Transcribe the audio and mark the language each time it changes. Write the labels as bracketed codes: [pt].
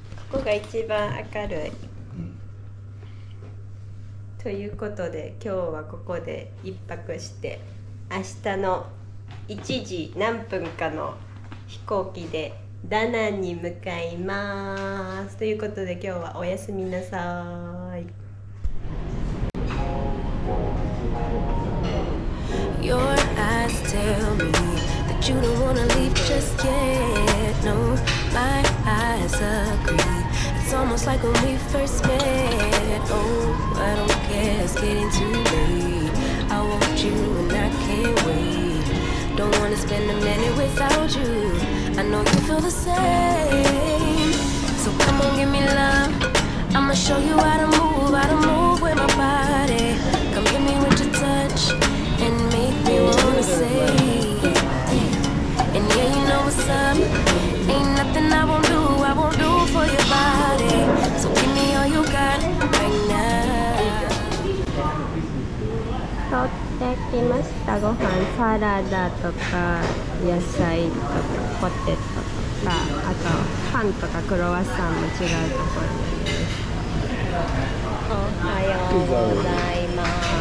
[ja] ここが一番明るい、うん、ということで今日はここで一泊して、明日の1時何分かの飛行機でダナンに向かいます。ということで今日はおやすみなさーい。 [en] Your eyes tell me that you don't wanna leave just yet. No, my eyes are almost like when we first met. Oh, I don't care, it's getting too late. I want you and I can't wait. Don't wanna spend a minute without you. I know you feel the same. So come on, give me love. I'ma show you how to move with my body. Come give me with your touch and make me wanna say. And yeah, you know what's up. Ain't nothing I won't do for your body. So give me all you got right now. [ja] できました。ご飯、サラダとか野菜とかポテトとか、あとパンとかクロワッサンも違うところです。おはようございます。